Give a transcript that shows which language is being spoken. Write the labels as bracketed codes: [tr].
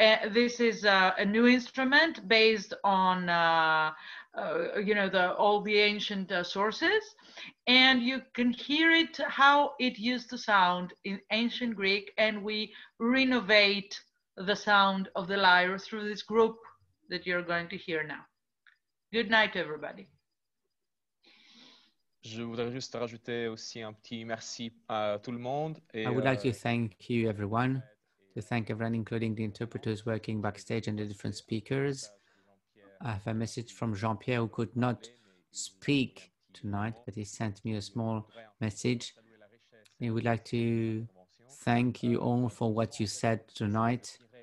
[en] This is a new instrument based on the ancient sources, and you can hear it how it used to sound in ancient Greek, and we renovate the sound of the lyre through this group that you're going to hear now. Good night, everybody. [fr] Je voudrais juste rajouter aussi un petit merci à tout le monde. [en] I would like to thank you, everyone, to thank everyone, including the interpreters working backstage and the different speakers. I have a message from Jean-Pierre, who could not speak tonight, but he sent me a small message. He would like to thank you all for what you said tonight.